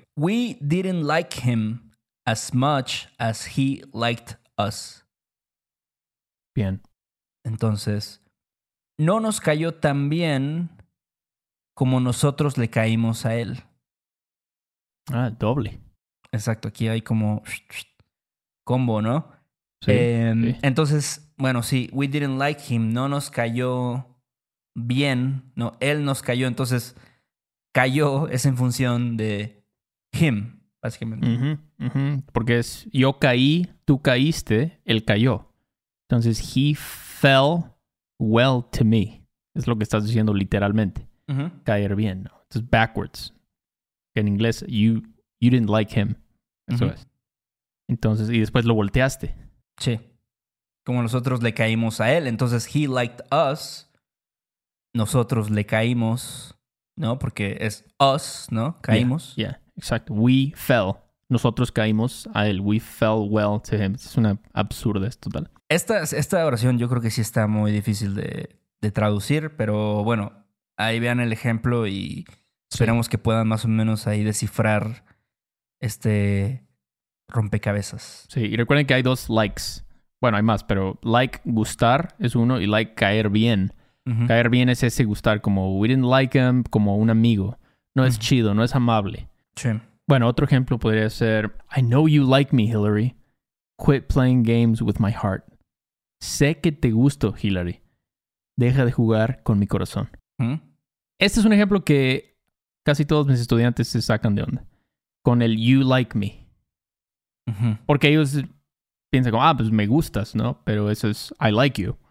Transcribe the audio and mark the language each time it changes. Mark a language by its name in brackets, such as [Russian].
[English] We didn't like him as much as he liked us. [Spanish] Bien. Entonces, no nos cayó tan bien como nosotros le caímos a él. Ah, doble. Exacto, aquí hay como combo, ¿no? Sí, sí. Entonces, bueno, sí, [English] we didn't like him, [Spanish] no nos cayó bien, no, él nos cayó, entonces cayó es en función de him, básicamente. Uh-huh, uh-huh. Porque es yo caí, tú caíste, él cayó. [English] Entonces, he fell well to me. [Spanish] Es lo que estás diciendo literalmente. Uh-huh. Caer bien, ¿no? Entonces, backwards. En inglés, [English] you didn't like him. [Spanish] Eso uh-huh. es. Entonces, y después lo volteaste. Sí. Como nosotros le caímos a él. Entonces, [English] he liked us. [Spanish] Nosotros le caímos, ¿no? Porque es us, ¿no? Caímos. Yeah, exacto. [English] We fell. [Spanish] Nosotros caímos a él. [English] We fell well to him. [Spanish] Es una absurdez total. Esta oración yo creo que sí está muy difícil de traducir, pero bueno, ahí vean el ejemplo y esperemos sí. que puedan más o menos ahí descifrar este rompecabezas. Sí, y recuerden que hay dos likes. Bueno, hay más, pero like gustar es uno y like caer bien. Uh-huh. Caer bien es ese gustar, como [English] we didn't like him, [Spanish] como un amigo. No uh-huh. es chido, no es amable. Sí. Bueno, otro ejemplo podría ser [English] I know you like me, [Spanish] Hillary. [English] Quit playing games with my heart. [Spanish] Sé que te gusto, Hillary. Deja de jugar con mi corazón. Este es un ejemplo que casi todos mis estudiantes se sacan de onda. Con el [English] you like me. Uh-huh. [Spanish] Porque ellos piensan como, ah, pues me gustas, ¿no? Pero eso es [English] I like you.